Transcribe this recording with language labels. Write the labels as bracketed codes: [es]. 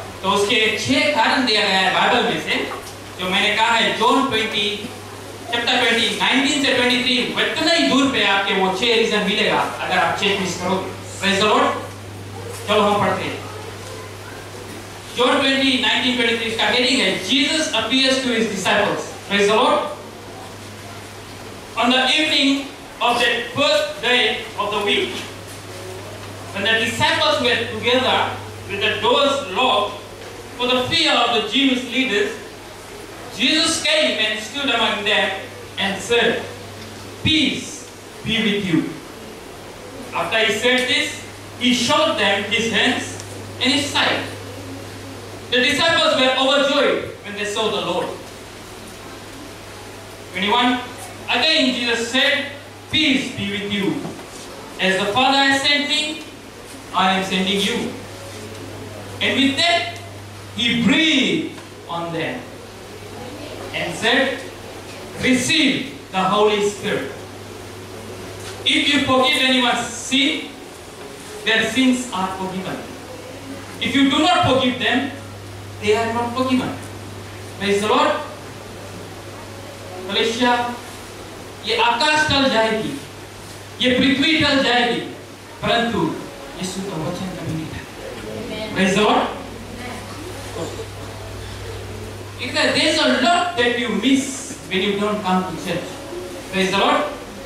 [hi] तो उसके छह कारण दिया गया है बाइबल में से जो मैंने कहा है जोन 20 चैप्टर 20 19 से 23 इतना ही दूर पे आपके वो छह रीजन मिलेगा अगर आप चेक मिस करोगे. [en] Praise the lord. [hi] चलो हम पढ़ते हैं जोन 20 19 23 का हेडिंग है [en] Jesus appears to his disciples. Praise the lord. On the evening of the first day of the week, when the disciples were together with the doors locked for the fear of the Jewish leaders, Jesus came and stood among them and said, "Peace be with you." After he said this, he showed them his hands and his side. The disciples were overjoyed when they saw the Lord. 21. Again, Jesus said, "Peace be with you. As the Father has sent me, I am sending you." And with that, he breathed on them and said, "Receive the Holy Spirit. If you forgive anyone's sin, their sins are forgiven. If you do not forgive them, they are not forgiven." Praise the Lord. Malaysia. [hi] ये आकाश टल जाएगी ये पृथ्वी टल जाएगी परंतु यीशु का वचन कभी नहीं टलेगा. [en] Praise the lord. If there is a lot that you miss when you don't come to church. Praise the lord.